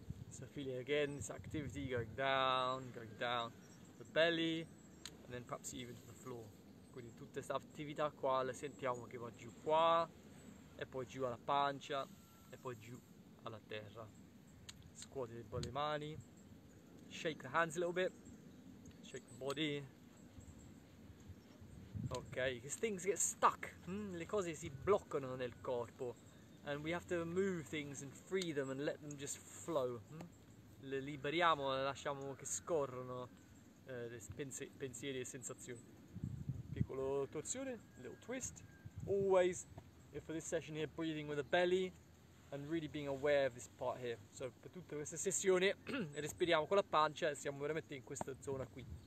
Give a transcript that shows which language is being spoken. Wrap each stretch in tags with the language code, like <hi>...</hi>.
<en>So feeling again this activity, going down, the belly, and then perhaps even to the floor.</en> <it>Quindi tutta questa attività qua la sentiamo che va giù qua, e poi giù alla pancia, e poi giù alla terra. Scuoti un po' le mani,</it> <en>shake the hands a little bit. Shake the body.</en> <it>Okay,</it> <en>because things get stuck.</en> <it>Le cose si bloccano nel corpo.</it> <en>And we have to move things and free them and let them just flow.</en> <it>Le liberiamo e lasciamo che scorrono le pensieri e sensazioni. Piccolo torsione,</it> <en>little twist. Always, for this session here, breathing with the belly and really being aware of this part here.</en> <it>So, per tutta questa sessione, respiriamo con la pancia e siamo veramente in questa zona qui.</it>